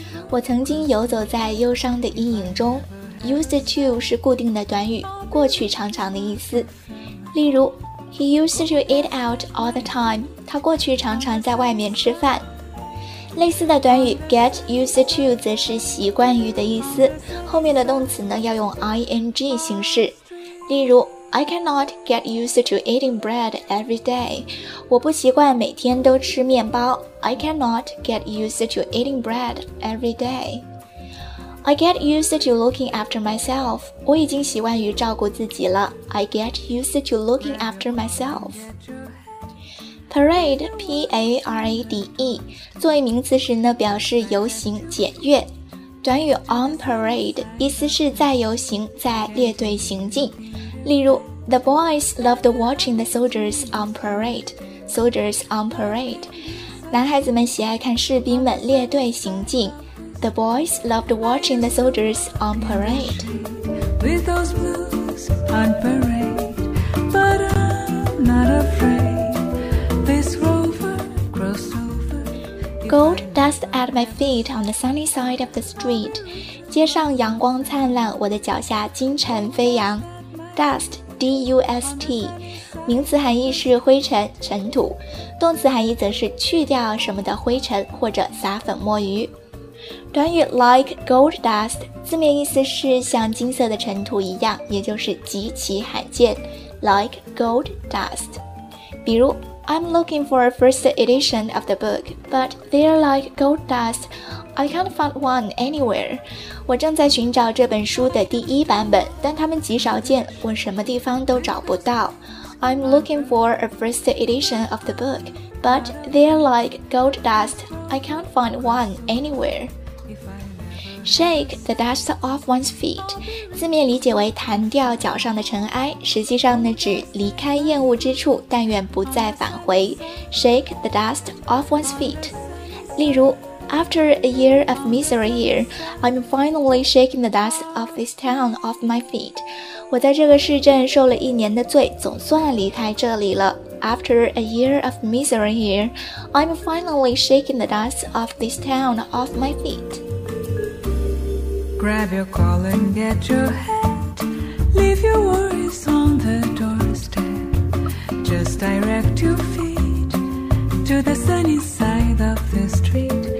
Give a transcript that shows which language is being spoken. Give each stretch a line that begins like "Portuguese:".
Chinese: 我曾经游走在忧伤的阴影中。 Used to 是固定的短语，过去常常的意思。
English: 例如 ,He used to eat out all the time.
Chinese: 他过去常常在外面吃饭。类似的短语 get used to 则是习惯于的意思。后面的动词呢要用 ing 形式。例如
English: I cannot get used to eating bread every day.
Chinese: 我不习惯每天都吃面包。
English: I cannot get used to eating bread every day. I get used to looking after myself.
Chinese: 我已经习惯于照顾自己了。
English: I get used to looking after myself. Parade, P-A-R-A-D-E,
Chinese: 作为名词时呢，表示游行、检阅。短语 on parade, 意思是在游行、在列队行进。
English: 例如 The boys loved watching the soldiers on parade. Soldiers on parade.
Chinese: 男孩子们喜爱看士兵们列队行进。
English: The boys loved watching the soldiers on parade. With those blues on parade. But I'm not afraid. This rover crossed over. Gold dust at my feet on the sunny side of the street.
Chinese: 街上阳光灿烂，我的脚下金尘飞扬。 Dust, D-U-S-T, 名词含义是灰尘、尘土，动词含义则是去掉什么的灰尘或者撒粉末鱼。短语 like gold dust, 字面意思是像金色的尘土一样，也就是极其罕见。
English: Like gold dust. 比如 I'm looking for a first edition of the book, but they're like gold dust. I can't find one anywhere.
Chinese: 我正在寻找这本书的第一版本，但它们极少见，我什么地方都找不到。
English: I'm looking for a first edition of the book, but they're like gold dust. I can't find one anywhere. Shake the dust off one's feet.
Chinese: 字面理解为弹掉脚上的尘埃，实际上呢指离开厌恶之处，但愿不再返回。
English: Shake the dust off one's feet. 例如After a year of misery here, I'm finally shaking the dust of this town off my feet.
Chinese: 我在这个市镇受了一年的罪，总算离开这里了。
English: After a year of misery here, I'm finally shaking the dust of this town off my feet. Grab your call and get your hat. Leave your worries on the doorstep. Just direct your feet to the sunny side of the street.